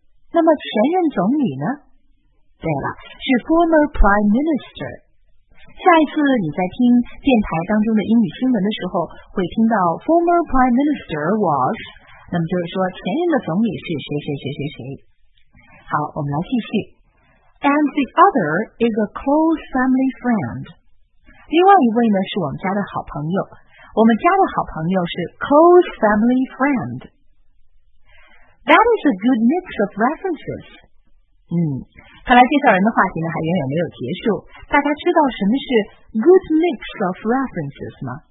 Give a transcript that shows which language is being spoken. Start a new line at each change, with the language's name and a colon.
Chinese: 那么前任总理呢？对了，是 former prime minister. 下一次你在听电台当中的英语新闻的时候，会听到 former prime minister was. 那么就是说前任的总理是谁谁谁谁谁。好，我们来继续。
English: And the other is a close family friend.
Chinese: 另外一位呢，是我们家的好朋友。我们家的好朋友是 close family friend.
English: That is a good mix of references.
Chinese: 看来介绍人的话题呢还远远没有结束。大家知道什么是 good mix of references 吗？